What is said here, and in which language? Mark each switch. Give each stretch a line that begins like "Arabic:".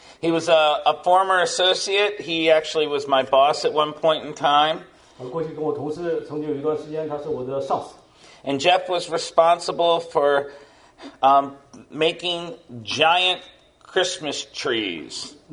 English: He was a former associate, he actually was my boss at one point in time.
Chinese: 过去跟我同事曾经有一段时间，他是我的上司。
English: And Jeff was responsible for making giant Christmas trees.